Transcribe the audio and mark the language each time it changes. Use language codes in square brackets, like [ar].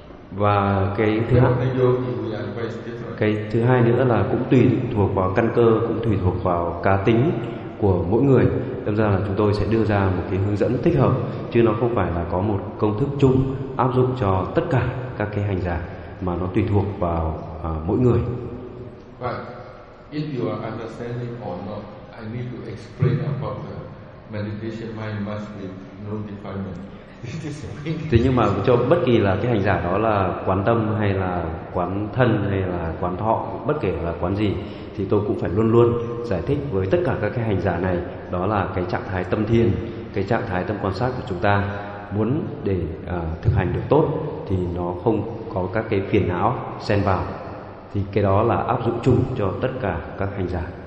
[vi] Và cái thứ hai, nữa là cũng tùy thuộc vào căn cơ, cũng tùy thuộc vào cá tính của mỗi người. Đâm ra là chúng tôi sẽ đưa ra một cái hướng dẫn thích hợp, chứ nó không phải là có một công thức chung áp dụng cho tất cả các cái hành giả, mà nó tùy thuộc vào mỗi người. [en] But if you are understanding or not, I need to explain about the meditation mind must be no defilement. [vi] Thế nhưng mà cho bất kỳ là cái hành giả đó là quán tâm hay là quán thân hay là quán thọ, bất kể là quán gì, thì tôi cũng phải luôn luôn giải thích với tất cả các cái hành giả này, đó là cái trạng thái tâm thiền, cái trạng thái tâm quan sát của chúng ta. Muốn để thực hành được tốt thì nó không có các cái phiền não xen vào, thì cái đó là áp dụng chung cho tất cả các hành giả.